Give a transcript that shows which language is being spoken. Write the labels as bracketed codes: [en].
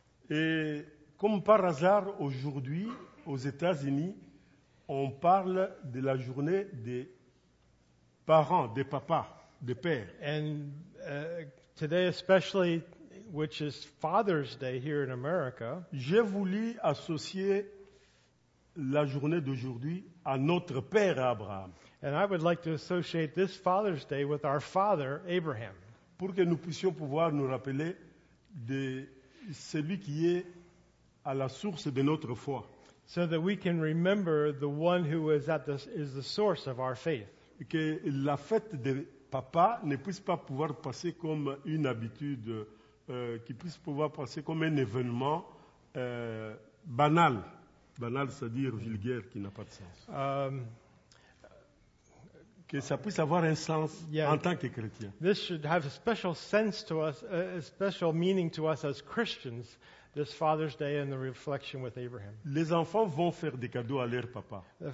[fr] Et comme par hasard, aujourd'hui, aux États-Unis, on parle de la journée des parents, des papas, des pères. [en] And today especially, which is Father's Day here in America. [fr] J'ai voulu associer la journée d'aujourd'hui à notre père Abraham. [en] And I would like to associate this Father's Day with our father Abraham. [fr] Pour que nous puissions pouvoir nous rappeler de celui qui est à la source de notre foi. [en] So that we can remember the one who is at the is the source of our faith. [fr] Que la fête de papa ne puisse pas pouvoir passer comme une habitude qui puisse pouvoir passer comme un événement banal, c'est-à-dire vulgaire, qui n'a pas de sens. Que ça puisse avoir un sens en tant que chrétien. [en] This should have a special sense to us, a special meaning to us as Christians, this Father's Day and the reflection with Abraham. [fr] Les enfants vont faire des cadeaux à leur papa.